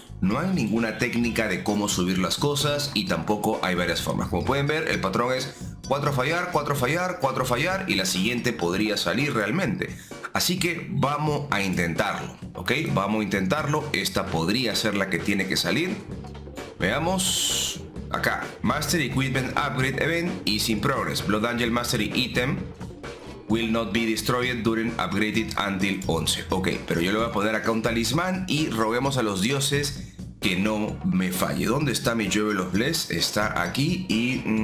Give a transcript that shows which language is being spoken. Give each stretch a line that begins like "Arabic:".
Spanish: No hay ninguna técnica de cómo subir las cosas y tampoco hay varias formas. Como pueden ver, el patrón es 4 fallar, 4 fallar, 4 fallar y la siguiente podría salir realmente. Así que vamos a intentarlo, ¿ok? Vamos a intentarlo. Esta podría ser la que tiene que salir. Veamos. Acá,
English: Mastery Equipment Upgrade Event is in progress. Blood Angel Mastery Item will not be destroyed during upgraded until 11.
Spanish: Ok, pero yo le voy a poner acá un talismán y roguemos a los dioses que no me falle. ¿Dónde está mi Jewel of Bless? Está aquí y...